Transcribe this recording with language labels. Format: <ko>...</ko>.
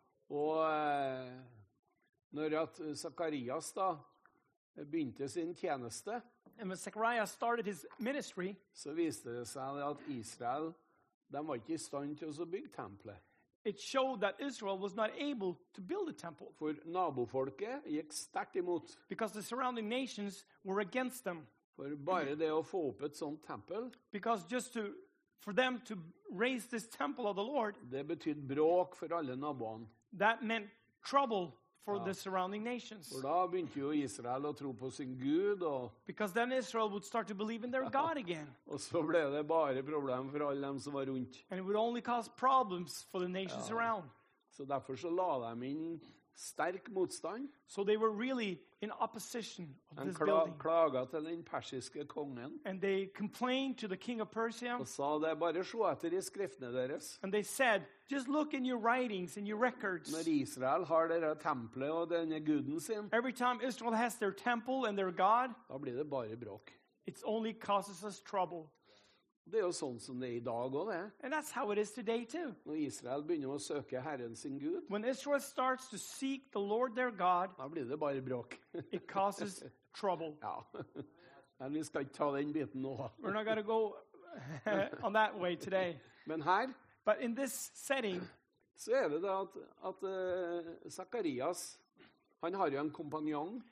<no>Og når at Zacharias da begynte sin tjeneste,</no> <en>and when Zechariah started his ministry,</en> <no>så viste det seg at Israel, de var ikke i stand til å bygge tempelet.</no> <en>It showed that Israel was not able to build a temple.</en> <no>For nabofolket gikk sterkt imot.</no> <en>Because the surrounding nations were against them.</en> <no>For bare det å få opp et sånt tempel.</no> <en>Because just to for them to raise this temple of the Lord.</en> <no>Det betydde bråk for alle naboene.</no> <en>That meant trouble for the surrounding nations.</en> <no>For da begynte jo Israel å tro på sin Gud. Og</no> <en>because then Israel would start to believe in their God again.</en> <no>Og så ble det bare problem for alle dem som var rundt.</no> <en>And it would only cause problems for the nations around.</en> <no>Så derfor så la de inn sterk motstand.</no> <en>So they were really in opposition of en this building.</en> <no>De klaga til den persiske kongen.</no> <en>And they complained to the king of Persia.</en> <no>Og sa det, bare se etter i skriftene deres.</no> <en>And they said, just look in your writings and your records.</en> <no>Når Israel har dere tempelet og denne guden sin.</no> <en>Every time Israel has their temple and their God.</en> <no>Da blir det bare bråk.</no> <en>It only causes us trouble.</en> <no>Det er jo sånn som det er i dag også, det.</no> <en>And that's how it is today too.</en> <no>Når Israel begynner å søke Herren sin Gud.</no> <en>When Israel starts to seek the Lord their God.</en> <no>Da blir det bare bråk.</no> <en>It causes trouble.</en> <no>Ja. Men vi skal ikke ta den biten nå.</no> <en>We're not going to go on that way today.</en> <no>Men her.</no> <en>But in this setting.</en> <no>Så er det da at Zacharias, han har jo en kompanjong.</no>